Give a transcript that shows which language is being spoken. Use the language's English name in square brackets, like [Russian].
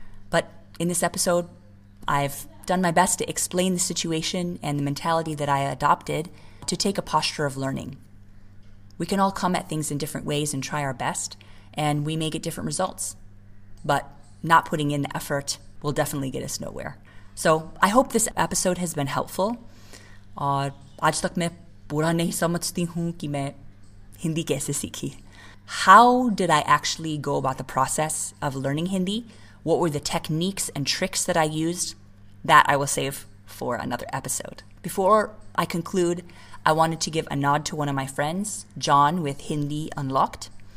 [English] But in this episode, I've done my best to explain the situation and the mentality that I adopted to take a posture of learning. We can all come at things in different ways and try our best, and we may get different results. But not putting in the effort will definitely get us nowhere. So I hope this episode has been helpful. [Hindi] आज तक मैं पूरा नहीं समझती हूँ कि मैं हिंदी कैसे सीखी. [English] How did I actually go about the process of learning Hindi? What were the techniques and tricks that I used? That I will save for another episode. Before I conclude, I wanted to give a nod to one of my friends, John with Hindi Unlocked.